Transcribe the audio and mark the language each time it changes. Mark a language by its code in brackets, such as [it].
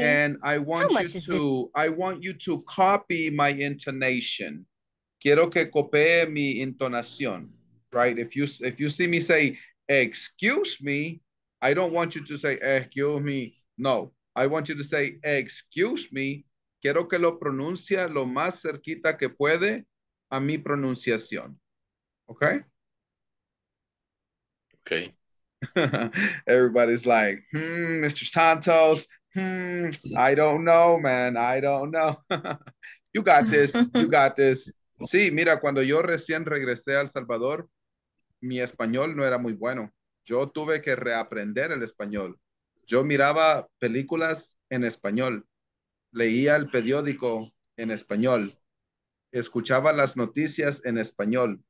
[en] And I want you to copy my intonation. [es] Quiero que copie mi intonación. [en] Right? If you see me say excuse me, I don't want you to say excuse me. No. I want you to say excuse me. [es] Quiero que lo pronuncie lo más cerquita que puede a mi pronunciación. [en] Okay? Okay. Everybody's like, Mr. Santos, I don't know, man, I don't know. You got this, you got this. [es] Sí, mira, cuando yo recién regresé a El Salvador, mi español no era muy bueno. Yo tuve que reaprender el español. Yo miraba películas en español, leía el periódico en español, escuchaba las noticias en español.